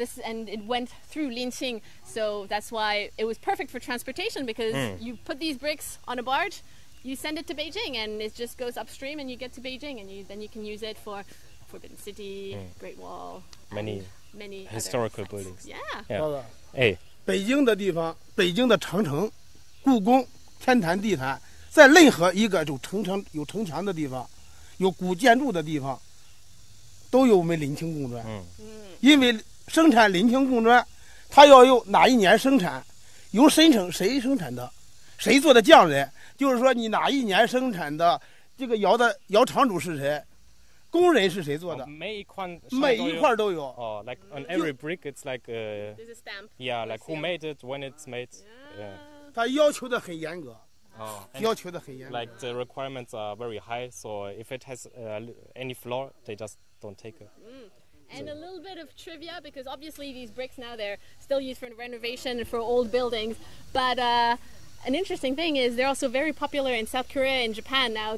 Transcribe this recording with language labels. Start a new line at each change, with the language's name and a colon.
English: And it went through Linqing, so that's why it was perfect for transportation, because you put these bricks on a barge, you send it to Beijing, and it just goes upstream, and you get to Beijing, and then you can use it for Forbidden City, Great Wall, many historical buildings. Yeah.
Chinese: 北京的地方，北京的长城， 故宫，天坛地坛， 在任何一个有城墙的地方，有古建筑的地方， 都有我们临清贡砖，因为生产临清贡砖，它要有哪一年生产，由谁生产的，谁做的匠人，就是说你哪一年生产的，这个窑的窑厂主是谁，工人是谁做的，每一块都有。
English: Oh, like on every brick, it's like a. There's a stamp. Yeah, like who made it, when it's made. Yeah.
Chinese: 它要求的很严格。Oh,
English: like the requirements are very high, so if it has any flaw, they just don't take it. And a little bit of trivia, because obviously these bricks now, they're still used for renovation for old buildings, but an interesting thing is they're also very popular in South Korea and Japan now.